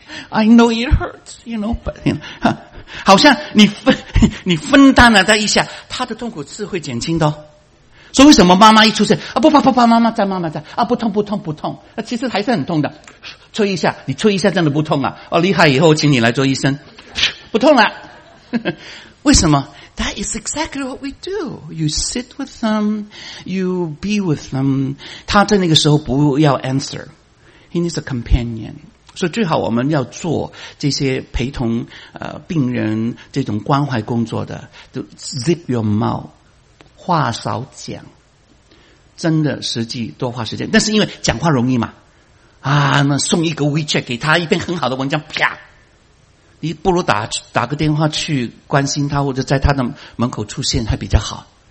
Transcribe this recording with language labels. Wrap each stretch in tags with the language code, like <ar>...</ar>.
<en>I know it hurts, you know, but, you know,</en> <zh>好像你分担了他一下，他的痛苦是会减轻的、哦。所以为什么妈妈一出现啊，不怕不怕，妈妈在，妈妈在啊，不痛不痛不痛，那、啊、其实还是很痛的。吹一下，你吹一下真的不痛啊，哦，厉害，以后请你来做医生，不痛了。为什么</zh> <en>？That is exactly what we do. You sit with them, you be with them.</en> <zh>他在那个时候不要 answer.</zh> <en>He needs a companion.</en> <zh>所以最好我们要做这些陪同病人这种关怀工作的，就</zh> <en>zip your mouth.</en> <zh>话少讲，真的实际多花时间，但是因为讲话容易嘛，啊，那送一个 WeChat 给他，一篇很好的文章，啪，你不如打个电话去关心他，或者在他的门口出现还比较好。</zh>